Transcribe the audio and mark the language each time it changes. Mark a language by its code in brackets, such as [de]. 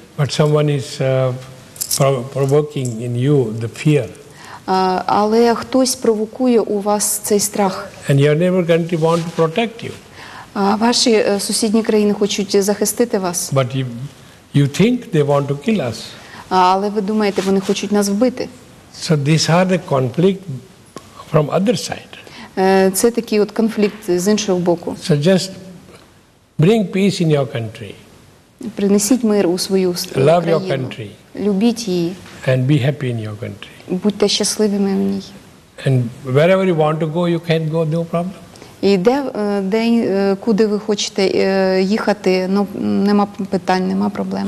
[en] But someone is provoking in you the fear. [uk] Але хтось провокує у вас цей страх. [en] And your neighbor country want to protect you. [uk] Ваші сусідні країни хочуть захистити вас. [en] But you think they want to kill us. [uk] Але ви думаєте, вони хочуть нас вбити. [en] So these are the conflict from other side. [uk] Це такий от конфлікт з іншого боку. [en] So just bring peace in your country. [uk] Принесіть мир у свою країну. [en] Love your country. [uk] Любіть її. [en] And be happy in your country. [uk] Будьте щасливими в ній. [en] And wherever you want to go, you can go, no problem. [uk] І де куди ви хочете їхати, ну, нема питань, нема проблем.